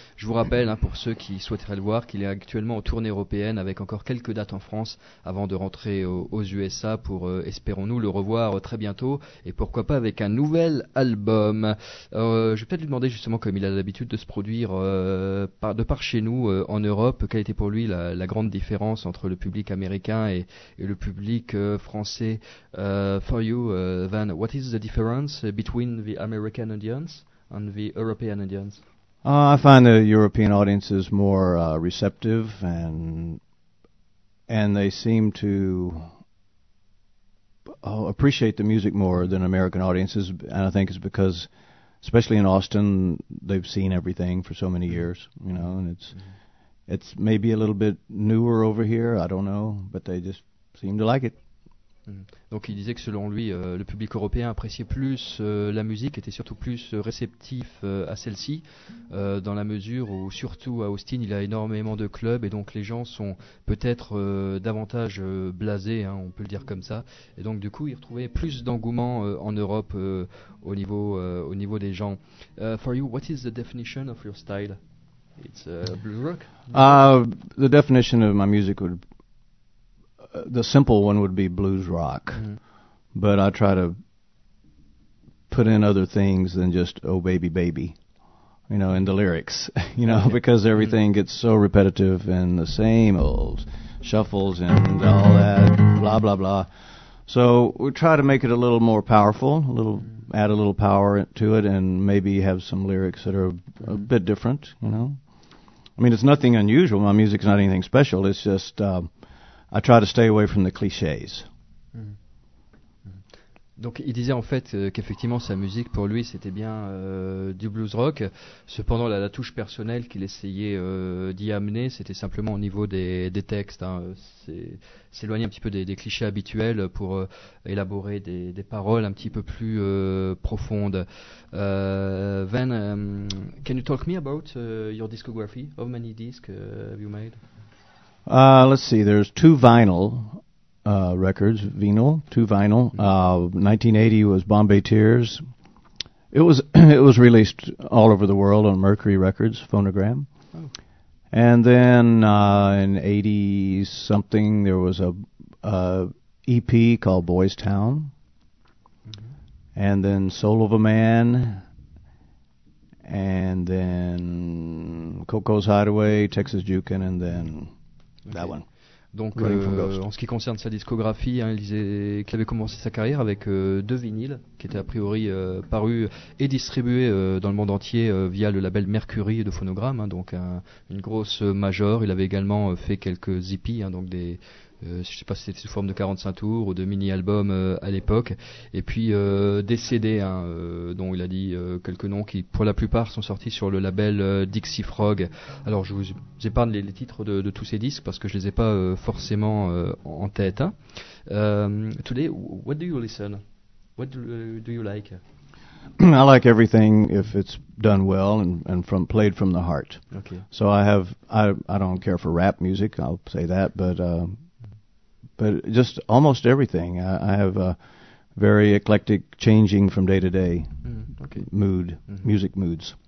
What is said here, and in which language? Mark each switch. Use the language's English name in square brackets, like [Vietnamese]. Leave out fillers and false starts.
[French] Je vous rappelle, pour ceux qui souhaiteraient le voir, qu'il est actuellement en tournée européenne avec encore quelques dates en France avant de rentrer aux USA pour, espérons-nous, le revoir très bientôt et pourquoi pas avec un nouvel album. Je vais peut-être lui demander justement, comme il a l'habitude de se produire de par chez nous en Europe, quelle était pour lui la grande différence entre le public américain et le public français. [English] For you, Van, what is the difference between the American audience and the European audience? I find the European audience is more receptive and they seem to appreciate the music more than American audiences, and I think it's because, especially in Austin, they've seen everything for so many years, you know, and it's... Mm-hmm. It's maybe a little bit newer over here, I don't know, but they just seem to like it. [French] Donc il disait que selon lui, le public européen appréciait plus la musique, était surtout plus réceptif à celle-ci, dans la mesure où surtout à Austin, il y a énormément de clubs et donc les gens sont peut-être davantage blasés, on peut le dire comme ça. Et donc du coup, il retrouvait plus d'engouement en Europe au niveau des gens. [English] For you, what is the definition of your style? It's blues rock. The definition of my music would, the simple one would be blues rock, but I try to put in other things than just "Oh baby, baby," you know, in the lyrics, you know, because everything gets so repetitive and the same old shuffles and all that, blah blah blah. So we try to make it a little more powerful, a little add a little power to it, and maybe have some lyrics that are a bit different, you know. I mean, it's nothing unusual. My music is not anything special. It's just I try to stay away from the clichés. [French] Donc, il disait en fait qu'effectivement, sa musique, pour lui, c'était bien du blues rock. Cependant, la touche personnelle qu'il essayait d'y amener, c'était simplement au niveau des textes. S'éloigner un petit peu des clichés habituels pour élaborer des paroles un petit peu plus profondes. [English] Van, can you talk me about your discography? How many discs have you made? Let's see, there's two vinyl. Records, vinyl, two vinyl. 1980 was Bombay Tears. It was it was released all over the world on Mercury Records, Phonogram. Oh. And then in 80 something, there was a EP called Boys Town. Mm-hmm. And then Soul of a Man. And then Coco's Hideaway, Texas Jukin, and then that one. [French] Donc, en ce qui concerne sa discographie, il disait qu'il avait commencé sa carrière avec deux vinyles qui étaient a priori parus et distribués dans le monde entier via le label Mercury de Phonogram, donc une grosse major. Il avait également fait quelques EP, donc des... je sais pas si c'était sous forme de 45 tours ou de mini-albums à l'époque, et puis des CD dont il a dit quelques noms qui pour la plupart sont sortis sur le label Dixie Frog. Alors je vous épargne les titres de tous ces disques parce que je les ai pas forcément en tête. [English] Today, what do you listen? What do you like? I like everything if it's done well and from played from the heart. Okay. So I don't care for rap music, I'll say that, but just almost everything. I have a very eclectic, changing from day to day mood, music moods.